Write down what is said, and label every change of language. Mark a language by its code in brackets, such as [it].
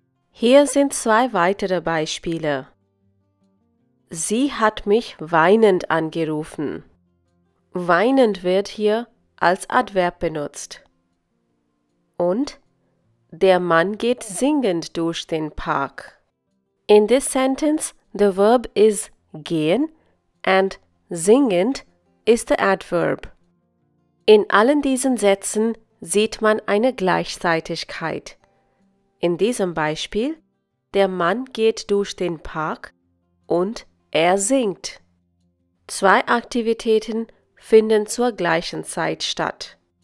[de] Hier sind zwei weitere Beispiele. Sie hat mich weinend angerufen. Weinend wird hier als Adverb benutzt. Und der Mann geht singend durch den Park. [en] In this sentence, the verb is gehen and singend is the adverb. [de] In allen diesen Sätzen sieht man eine Gleichzeitigkeit. In diesem Beispiel, der Mann geht durch den Park und er singt. Zwei Aktivitäten finden zur gleichen Zeit statt.